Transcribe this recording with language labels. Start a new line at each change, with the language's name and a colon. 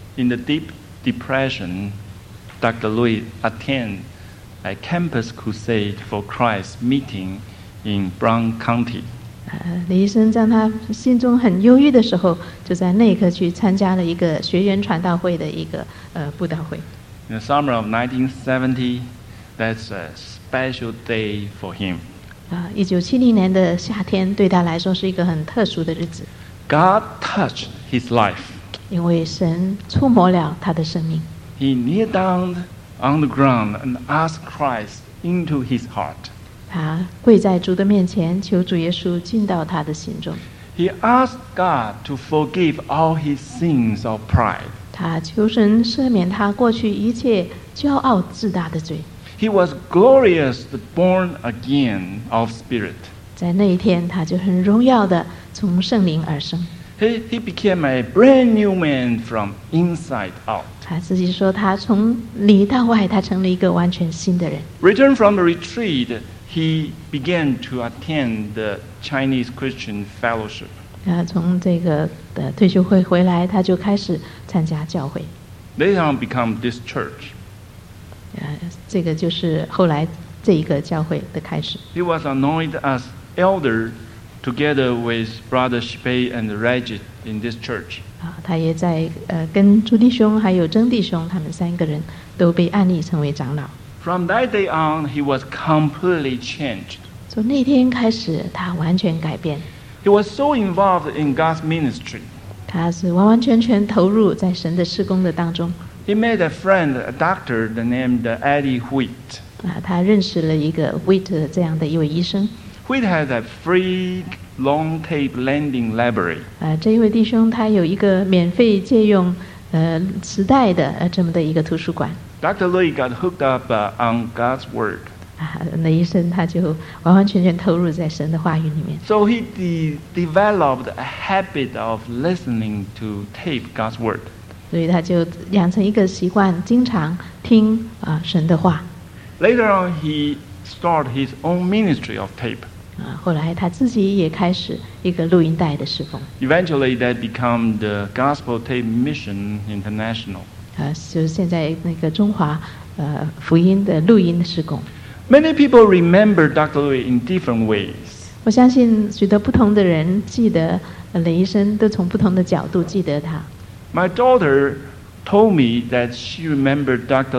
English: In the deep depression, Dr. Louis attended a campus crusade for Christ meeting in Brown County.
Chinese: 李医生在他心中很忧郁的时候，就在那一刻去参加了一个学员传道会的一个布道会。
English: In the summer of 1970, that's a special day for him.
Chinese: 1970年的夏天对他来说是一个很特殊的日子。
English: God touched his life.
Chinese: 因为神触摸了他的生命。
English: He kneeled down on the ground and asked Christ into his heart.
Chinese: 他跪在主的面前，求主耶稣进到他的心中。
English: He asked God to forgive all his sins of pride.
Chinese: 他求神赦免他过去一切骄傲自大的罪。
English: He was glorious, born again of spirit.
Chinese: 在那一天他就很荣耀的从圣灵而生。
English: He became a brand new man from inside out.
Chinese: 他自己说他从里到外他成了一个完全新的人。
English: Returned from the retreat, he began to attend the Chinese Christian Fellowship.
Chinese: 他从这个的退休会回来他就开始参加教会。
English: Later on become this church.
Chinese: 这个就是后来这一个教会的开始。
English: He was anointed as elder together with Brother Shipei and Regis in this church.
Chinese: 他也在跟朱弟兄还有曾弟兄他们三个人都被安立成为长老。
English: From that day on, he was completely changed.
Chinese: 从那天开始他完全改变。
English: He was so involved in God's ministry.
Chinese: 他是完完全全投入在神的事工的当中。
English: He made a friend, a doctor named Eddie Wheat.
Chinese: 他认识了一个 Wheat 这样的一位医生。
English: Wheat has a free long tape lending library.
Chinese: 这一位弟兄他有一个免费借用磁带的这么的一个图书馆。
English: Dr. Lee got hooked up on God's word.
Chinese: 那医生他就完完全全投入在神的话语里面。
English: So he developed a habit of listening to tape God's word.
Chinese: 所以他就养成一个习惯，经常听神的话。
English: Later on, he started his own ministry of tape.
Chinese: 后来他自己也开始一个录音带的侍奉。
English: Eventually, that became the Gospel Tape Mission International.
Chinese: 就是现在那个中华福音的录音侍工。
English: Many people remember Dr. Lui in different ways.
Chinese: 我相信许多不同的人记得雷医生，都从不同的角度记得他。
English: My daughter told me that she remembered Dr.